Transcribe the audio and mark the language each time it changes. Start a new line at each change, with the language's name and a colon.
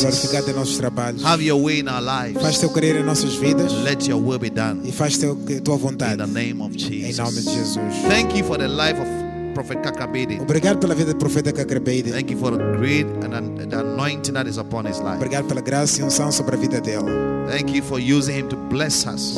Portuguese: Glorificado em nossos trabalhos.
English: Have your way in our lives.
Portuguese: Faz teu querer em nossas vidas.
English: Let your will be done.
Portuguese: E faz tua vontade.
English: In the name of Jesus.
Portuguese: Em nome de Jesus.
English: Thank you for the life of Prophet Kakabede.
Portuguese: Obrigado pela vida do profeta Kakabede.
English: Thank you for the grace and the anointing that is upon his life.
Portuguese: Obrigado pela graça e unção sobre a vida dele.
English: Thank you for using him to bless us.